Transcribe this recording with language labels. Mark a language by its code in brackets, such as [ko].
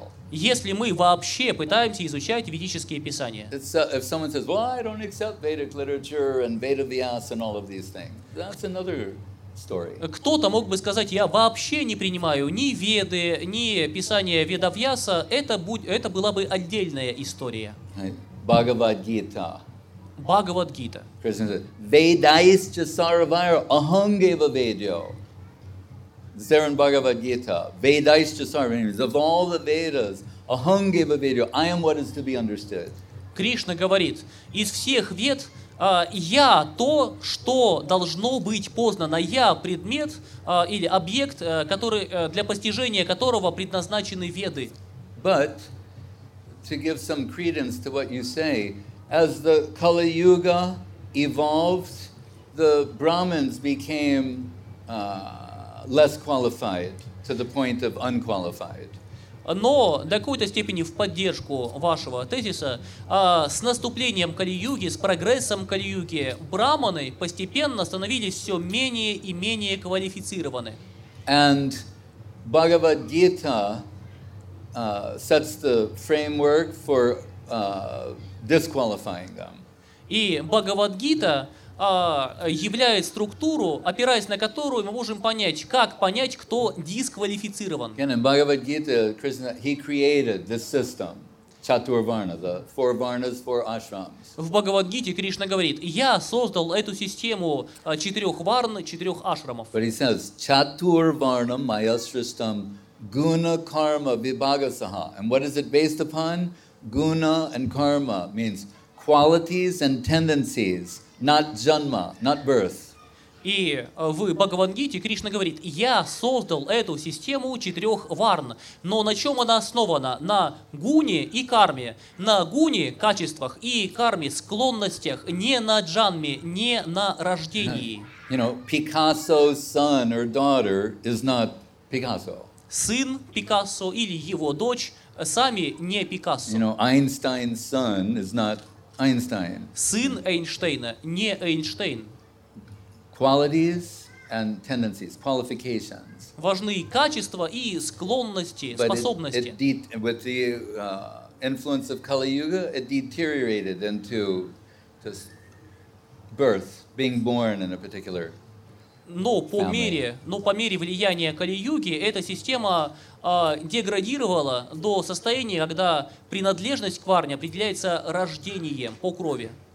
[ru] Если мы вообще пытаемся изучать ведические писания. [en] If someone says, well, I don't accept Vedic literature and Veda Vyasa and all of these things, that's another story. [ru] Кто-то мог бы сказать, я вообще не принимаю ни Веды, ни писания Веда Вьяса, это была бы отдельная история. Бхагавад-гита. Бхагавад-гита. [en] Krishna says, [sa] Vedaischa Sarvaira Ahangeva Vedyo. [en] Zaran Bhagavad Gita, [sa] Vedaischa Sarvaira, [en] of all the Vedas, [sa] Ahangeva Vedyo, [en] I am what is to be understood. [ru] Кришна говорит, из всех Вед я то, что должно быть познано. Я предмет или объект, который, для постижения которого предназначены Веды. [en] But, to give some credence to what you say, as the Kali Yuga evolved, the Brahmins became less qualified to the point of unqualified. [ru] Но до какой-то степени в поддержку вашего тезиса, с наступлением Кали-юги, с прогрессом Кали-юги, брахманы постепенно становились все менее и менее квалифицированы. [en] And Bhagavad-gita sets the framework for disqualifying them. [ru] И Бхагавад-гита являет структуру, опираясь на которую мы можем понять, как понять, кто дисквалифицирован. [en] Again, in Bhagavad-gita, Krishna, he created this system, Chaturvarna, the four varnas, four ashrams. [ru] В Бхагавад-гите Кришна говорит, я создал эту систему четырех варн, четырех ашрамов. [en] But he says, [sa] Chaturvarna, Mayasrishtam, Guna, Karma, Vibhagasaha. [en] And what is it based upon? Guna and Karma means qualities and tendencies. Not janma, not birth. [ru] И в Бхагавад-гите Кришна говорит, я создал эту систему четырех варн. Но на чем она основана? На гуне и карме. На гуне, качествах, и карме, склонностях, не на джанме, не на рождении. [en] You know, Picasso's son or daughter is not Picasso. [ru] Сын Пикассо или его дочь сами не Пикассо. [en] You know, Einstein's son is not Einstein. [ru] Сын Эйнштейна, не Эйнштейн. [en] Qualities and tendencies, qualifications. [ru] Важны качества и склонности, способности. [en] But with the influence of Kali Yuga, it deteriorated into just birth, being born in a particular family. [ru] Но по мере влияния Кали-юги эта система деградировала до состояния, когда принадлежность к варне определяется рождением по крови.